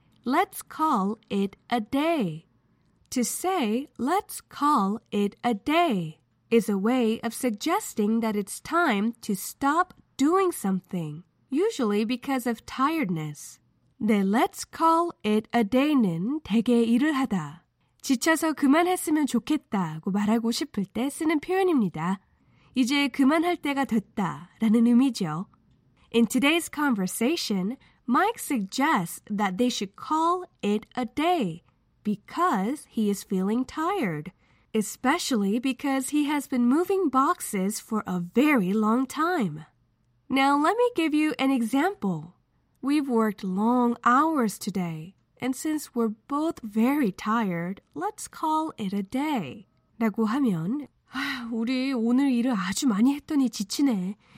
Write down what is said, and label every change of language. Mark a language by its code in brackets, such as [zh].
[en] Let's call it a day. To say let's call it a day is a way of suggesting that it's time to stop doing something, usually because of tiredness. [ko] 네, [en] let's call it a day [ko] 는 대개 일을 하다, 지쳐서 그만했으면 좋겠다고 말하고 싶을 때 쓰는 표현입니다. 이제 그만할 때가 됐다라는 의미죠. [en] In today's conversation, Mike suggests that they should call it a day because he is feeling tired, especially because he has been moving boxes for a very long time. Now, let me give you an example. We've worked long hours today, and since we're both very tired, let's call it a day. [ko] 라고 하면, 아, 우리 오늘 일을 아주 많이 했더니 지치네.